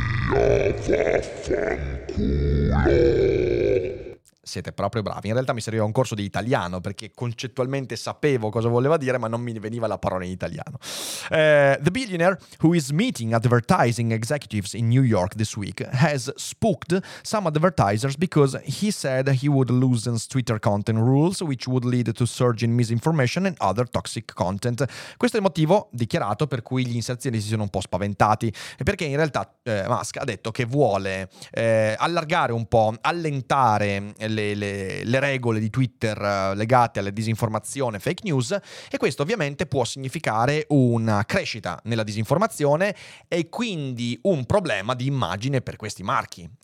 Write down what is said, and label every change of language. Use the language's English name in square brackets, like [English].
[Italian] Elia, vaffanculo. Siete proprio bravi. In realtà mi serviva un corso di italiano, perché concettualmente sapevo cosa voleva dire, ma non mi veniva la parola in italiano. [English] The billionaire, who is meeting advertising executives in New York this week, has spooked some advertisers because he said he would loosen Twitter content rules, which would lead to surge in misinformation and other toxic content. [Italian] Questo è il motivo dichiarato per cui gli inserzionisti si sono un po' spaventati, perché in realtà Musk ha detto che vuole allargare un po', allentare Le regole di Twitter legate alla disinformazione, fake news, e questo ovviamente può significare una crescita nella disinformazione e quindi un problema di immagine per questi marchi.